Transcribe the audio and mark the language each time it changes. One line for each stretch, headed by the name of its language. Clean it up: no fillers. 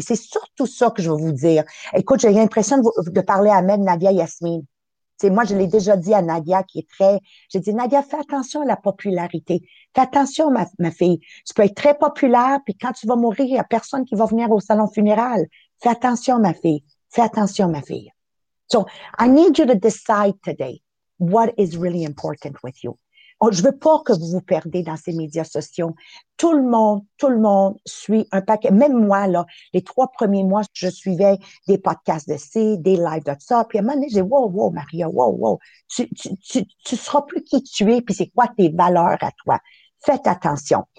French: C'est surtout ça que je veux vous dire. Écoute, j'ai l'impression de parler à même Nadia Yasmine. T'sais, moi, je l'ai déjà dit à Nadia, qui est très... J'ai dit, Nadia, fais attention à la popularité. Fais attention, ma fille. Tu peux être très populaire, puis quand tu vas mourir, il n'y a personne qui va venir au salon funéraire. Fais attention, ma fille. Fais attention, ma fille.
English: So, I need you to decide today what is really important with you.
French: Oh, je veux pas que vous vous perdez dans ces médias sociaux. Tout le monde suit un paquet. Même moi, là, les trois premiers mois, je suivais des podcasts de ci, des lives de ça. Puis à un moment donné, j'ai dit, wow, wow, Maria, wow, wow. Tu seras plus qui tu es, puis c'est quoi tes valeurs à toi. Faites attention.